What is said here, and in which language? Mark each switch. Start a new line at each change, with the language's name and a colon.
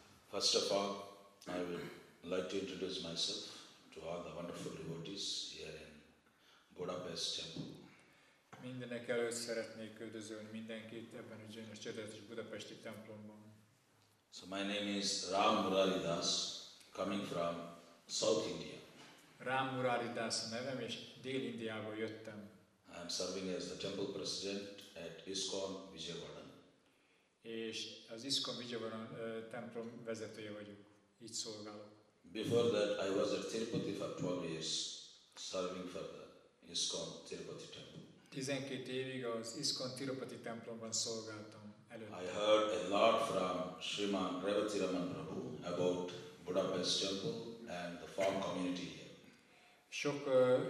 English: First of all, I would like to introduce myself to all the wonderful devotees here in Budapest Temple.
Hungarian: Mindenek előtt szeretnék üdvözölni mindenkit ebben a gyönyörű csodálatos budapesti templomban.
English: So my name is Ram Murari Das, coming from South India.
Hungarian: Ram Murari Das a nevem, és Dél-Indiából jöttem.
English: I am serving as the temple president at ISKCON Vijayawada.
Hungarian: És az ISKCON Vijayawada templom vezetője vagyok, így szolgálok.
English: Before that I was at Tirupati for 12 years, serving for the ISKCON Tirupati temple.
Hungarian: 12 évig az ISKCON Tirupati templomban szolgáltam.
English: I heard a lot from Sriman Revati Raman Prabhu about Budapest Temple and the farm community here.